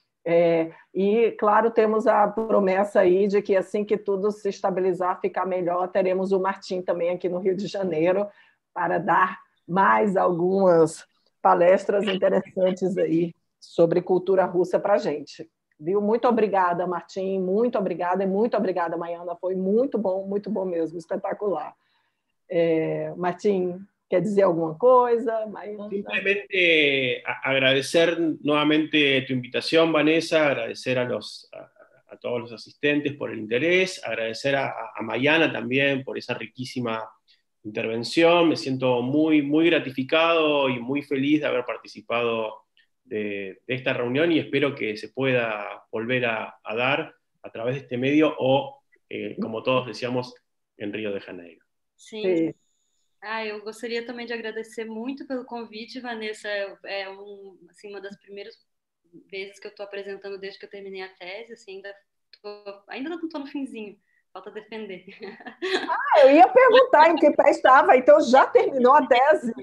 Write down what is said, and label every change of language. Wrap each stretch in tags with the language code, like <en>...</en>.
<pt>E, claro, temos a promessa aí de que assim que tudo se estabilizar, ficar melhor, teremos o Martin também aqui no Rio de Janeiro para dar mais algumas palestras interessantes aí sobre cultura russa para a gente. Viu? Muito obrigada, Martin, muito obrigada, e muito obrigada, Maiana, foi muito bom mesmo, espetacular. Martin, quer dizer alguma coisa?</pt> <es>Simplesmente agradecer nuevamente tu invitación, Vanessa, agradecer a todos los asistentes por el interés, agradecer a Maiana también por esa riquísima intervención, me siento muy, muy gratificado y muy feliz de haber participado de esta reunión y espero que se pueda volver a dar a través de este medio o, como todos decíamos, en Río de Janeiro. Sí.</es> <pt>Ah, eu gostaria também de agradecer muito pelo convite, Vanessa. É assim, uma das primeiras vezes que eu estou apresentando desde que eu terminei a tese, assim, ainda não estou no finzinho, falta defender. Eu ia perguntar em que pé estava, então já terminou a tese.</pt>